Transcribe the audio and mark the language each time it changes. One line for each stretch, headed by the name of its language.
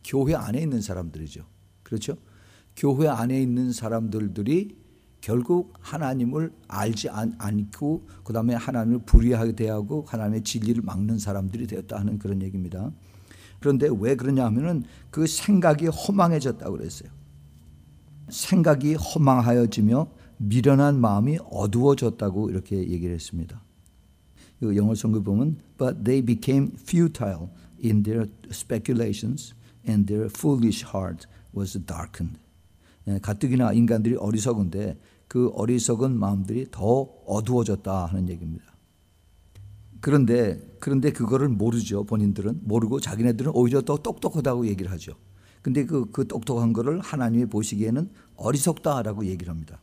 Korean: 교회 안에 있는 사람들이죠. 그렇죠? 교회 안에 있는 사람들이 결국 하나님을 알지 않고 그 다음에 하나님을 불의하게 대하고 하나님의 진리를 막는 사람들이 되었다 하는 그런 얘기입니다. 그런데 왜 그러냐 하면은 그 생각이 허망해졌다고 그랬어요. 생각이 허망하여지며 미련한 마음이 어두워졌다고 이렇게 얘기를 했습니다. 이 영어 성경 보면
English: But they became futile in their speculations and their foolish heart was darkened.
Korean: 가뜩이나 인간들이 어리석은데 그 어리석은 마음들이 더 어두워졌다 하는 얘기입니다. 그런데 그거를 모르죠. 본인들은 모르고 자기네들은 오히려 더 똑똑하다고 얘기를 하죠. 근데 그 똑똑한 거를 하나님이 보시기에는 어리석다라고 얘기를 합니다.